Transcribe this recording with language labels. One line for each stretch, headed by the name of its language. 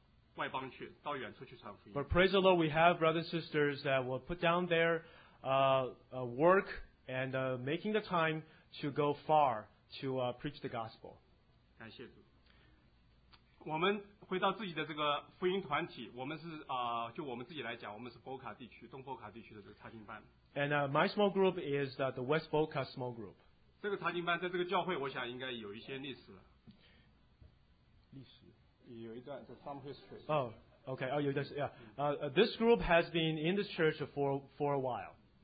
Chinese: 感谢主，有弟兄姐妹愿意放下自己的家庭和亲人，愿意放下自己的工作和事业，到外邦去，到远处去传福音。
English: But praise the Lord, we have brothers and sisters that will put down their work and making the time to go far to preach the gospel.
Chinese: 感谢主。我们回到自己的这个福音团体，我们是 就我们自己来讲，我们是 Boca 地区，东 Boca 地区的这个查经班。
English: And my small group is the West Boca small group.
Chinese: 这个查经班在这个教会，我想应该有一些历史了。历史有一段，这
English: some history. Oh, okay. This group has been in this church for a while.